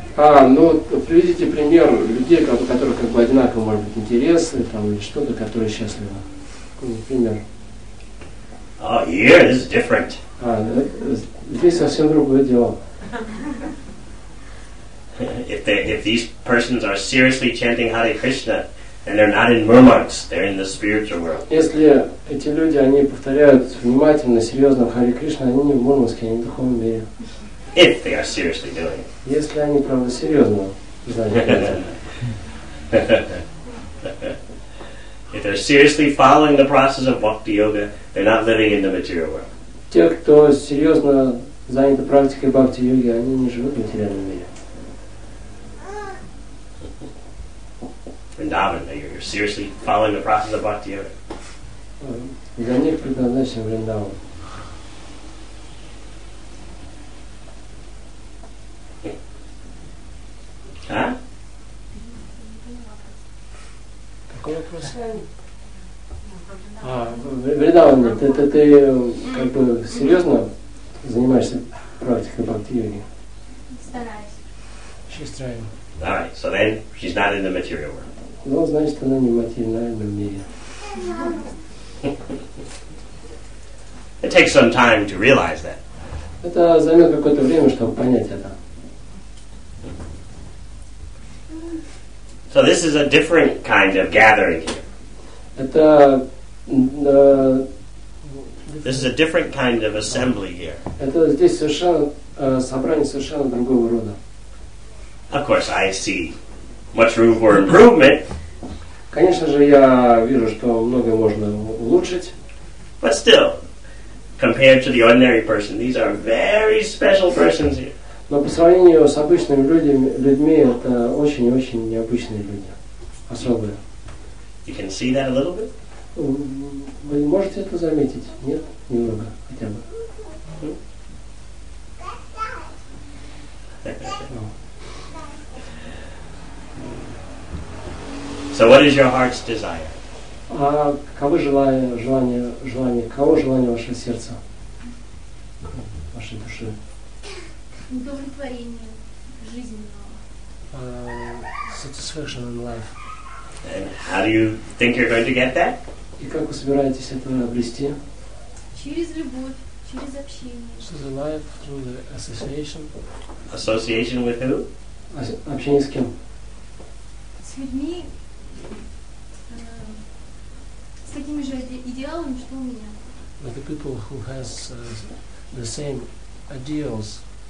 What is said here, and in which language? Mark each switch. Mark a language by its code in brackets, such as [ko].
[ru] Приведите пример людей, у которых одинаковые, может быть, интересы, там или что-то, которые счастливы. Какой-нибудь пример. [en] Oh, here, this is different. [ru] Здесь совсем другое дело. [en] If these persons are seriously chanting Hare Krishna, and they're not in Murmansk, they're in the spiritual world. [ru] Если эти люди, они повторяют внимательно, серьезно Hare Krishna, они не в Мурманске, они в духовном мире. [en] If they are seriously doing it. [ru] Если они правда серьезно знают. [en] If they're seriously following the process of bhakti yoga, they're not living in the material world. [ru] Те, кто серьезно заняты практикой бхакти йоги, они не живут в материальном мире. [en] Vrindavan, you're seriously following the process of bhakti yoga. [ru] Для них предназначен Вриндаван. Вриндаван, ты как бы серьезно занимаешься практикой бхакти-йоги? Стараюсь. [en] She's trying. All right, so then she's not in the material world. [ru] Ну, значит, она не в материальном мире. [en] It takes some time to realize that. [ru] Это займет какое-то время, чтобы понять это. [en] So this is a different kind of gathering here. This is a different kind of assembly here. [ru] Это здесь совершенно собрание совершенно другого рода. [en] Of course, I see much room for improvement. [ru] Конечно же, я вижу, что многое можно улучшить. [en] But still, compared to the ordinary person, these are very special persons here. [ru] Но по сравнению с обычными людьми это очень-очень необычные люди, особые. [en] You can see that a little bit? [ru] Вы можете это заметить? Нет? Немного, хотя бы. [en] So what is your heart's desire? [ru] А каково желание, каково желание вашего сердца, вашей души? Удовлетворение жизненного. [en] Satisfaction in life. And how do you think you're going to get that? [ru] И как вы собираетесь это обрести? Через любовь, через общение. [en] Through the life, through the association. Association with who? [ru] Общение с кем? С людьми, с такими же идеалами, что у меня. [en] With the people who has the same ideals.